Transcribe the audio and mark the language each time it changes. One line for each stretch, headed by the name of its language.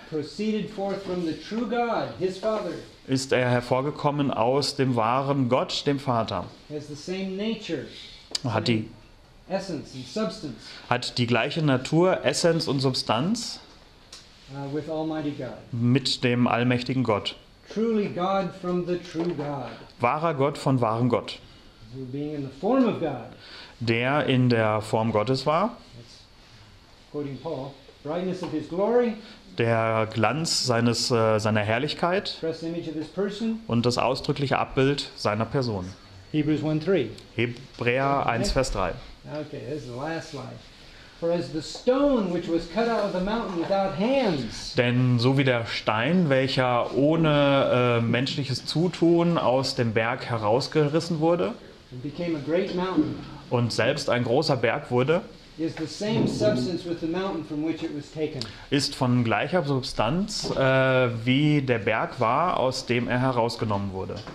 English: proceeded forth from the true God, his Father,
German: ist er hervorgekommen aus dem wahren Gott, dem Vater.
English: Has the same nature,
German: hat die
English: Essence and Substance,
German: hat die gleiche Natur, Essenz und Substanz
English: with Almighty God.
German: Mit dem allmächtigen Gott.
English: Truly God from the true God.
German: Wahrer Gott von wahrem Gott.
English: Being in the form of God.
German: Der in der Form Gottes war.
English: Quoting Paul, brightness of his glory.
German: Der Glanz seines, seiner Herrlichkeit.
English: Express image of his person.
German: Und das ausdrückliche Abbild seiner Person.
English: Hebrews 1:3.
German: Hebräer 1, Vers 3.
English: Okay, this is the last slide. For as the stone which was cut out of the mountain without hands.
German: Denn so wie der Stein, welcher ohne menschliches Zutun aus dem Berg herausgerissen wurde,
English: and became a great mountain,
German: und selbst ein großer Berg wurde,
English: is the same substance with the mountain from which it was taken.
German: Ist von gleicher Substanz wie der Berg war, aus dem er herausgenommen wurde.